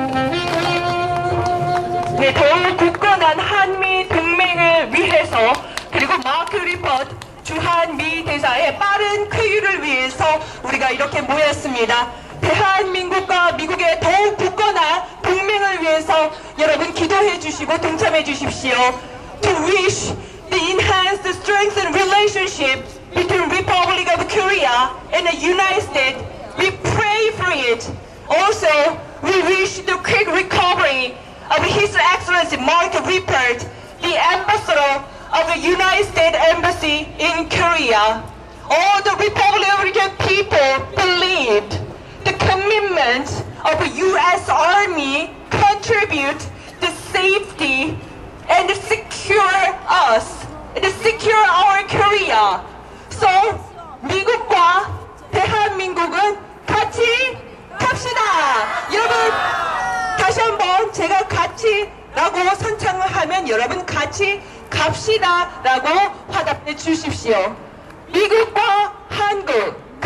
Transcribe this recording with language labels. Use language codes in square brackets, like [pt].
[ko] 네, 더욱 굳건한 한미 동맹을 위해서 그리고 마크 리펏 주한미 대사의 빠른 쾌유를 위해서 우리가 이렇게 모였습니다. 대한민국과 미국의 더욱 굳건한 동맹을 위해서 여러분 기도해 주시고 동참해 주십시오. [en] To wish the enhanced strengthened relationship between Republic of Korea and the United States, we pray for it. Also, we wish the quick recovery of His Excellency Mark Rippert, the ambassador of the United States Embassy in Korea. All the Republic of Korea people believed the commitment of the U.S. Army contribute the safety and secure us, and secure our Korea. [ko] So, 미국과 대한민국은 같이 갑시다! 여러분, 다시 한번 제가 같이 라고 선창을 하면 여러분 같이 갑시다 라고 화답해 주십시오. 미국과 한국,